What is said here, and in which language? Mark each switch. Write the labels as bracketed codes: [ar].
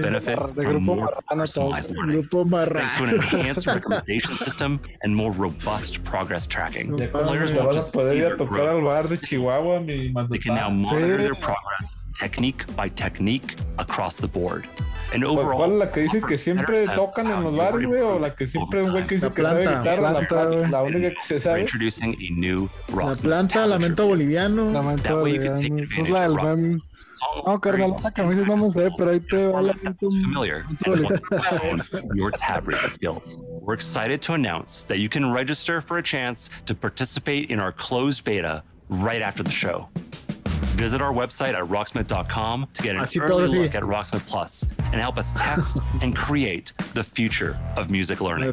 [en] benefit from more customized learning. Thanks to an enhanced recommendation system and more robust progress tracking, players won't just see their growth. They can now monitor their progress technique by technique across the board. And overall, [es] ¿cuál es la que dicen que siempre tocan en los bares, güey? ¿O la que siempre un güey que dice que sabe guitarra? La única que se sabe. La planta, lamento boliviano. Lamento boliviano. Es la del meme. No, carnal, esa camisa no me sé, pero ahí te va la planta. [en] We're excited to announce that you can register for a chance to participate in our closed beta right after the show. Visit our website at rocksmith.com to get an early look at Rocksmith Plus and help us test and create the future of music learning.